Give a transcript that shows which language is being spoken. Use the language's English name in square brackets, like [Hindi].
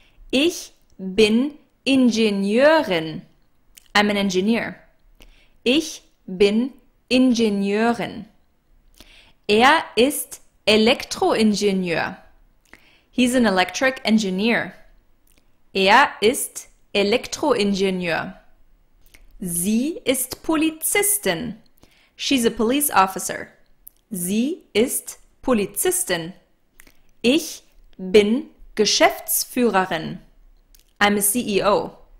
[German] Ich bin Ingenieurin. [English] I'm an engineer. [German] Ich bin Ingenieurin. Er ist Elektroingenieur. [English] He's an electric engineer. [German] Er ist Elektroingenieur. Sie ist Polizistin. [English] She's a police officer. [German] Sie ist Polizistin. Ich bin Geschäftsführerin. [English] I'm a CEO.